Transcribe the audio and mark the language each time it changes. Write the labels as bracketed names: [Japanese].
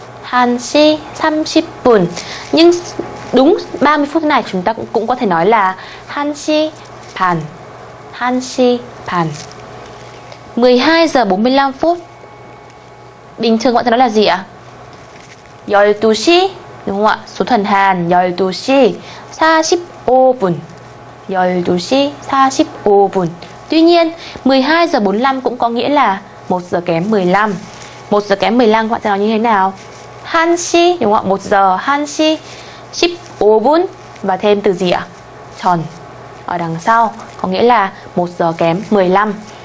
[Korean] 1시 30분. [Vietnamese] Nhưng đúng 30 phút này chúng ta cũng có thể nói là [Korean] 1시 반. 1시 반. 12:45. [Vietnamese] Bình thường gọi thì nói là gì ạ? 12시, đúng không ạ? Số thuần Hàn [Korean] 12시 45분. 12시 45분. [Vietnamese] Tuy nhiên, 12 giờ 45 cũng có nghĩa là 1 giờ kém 15. 1 giờ kém 15 các bạn sẽ nói như thế nào? 1시 đúng không ạ? 1 giờ 1시 15분 và thêm từ gì ạ? 전 ở đằng sau có nghĩa là 1 giờ kém 15.